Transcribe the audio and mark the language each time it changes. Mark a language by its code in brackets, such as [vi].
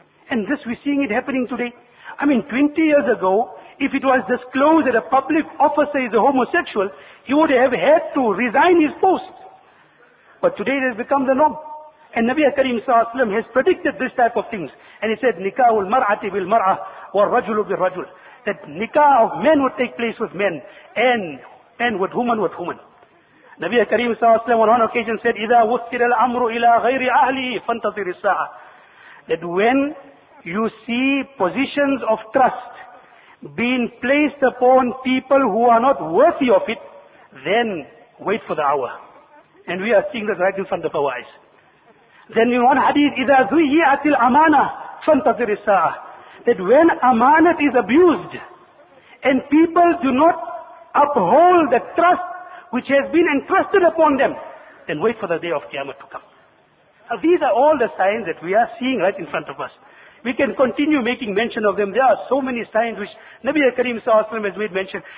[en] And this, we're seeing it happening today. I mean, 20 years ago, if it was disclosed that a public officer is a homosexual, he would have had to resign his post. But today it has become the norm. And Nabi Karim s.a.w. has predicted this type of things. And he said, [ar] nikahul mar'ati bil mar'ah wa rajulu bil rajul. [en] That nikah of men would take place with men, and men with women with women. Nabi Karim s.a.w. on one occasion said, [ar] إِذَا وُثِّرَ الْأَمْرُ إِلَىٰ غَيْرِ أَهْلِهِ فَانْتَظِرِ السَّاعَةِ. [en] That when you see positions of trust being placed upon people who are not worthy of it, then wait for the hour. And we are seeing this right in front of our eyes. Then in one hadith, [ar] إِذَا زُيِّئَتِ الْأَمَانَةِ فَانْتَظِرِ السَّاعَةِ. [en] That when amanat is abused, and people do not uphold the trust which has been entrusted upon them, then wait for the day of Qiyamah to come. Now these are all the signs that we are seeing right in front of us. We can continue making mention of them. There are so many signs which Nabi Karim s.a.w. has made mention.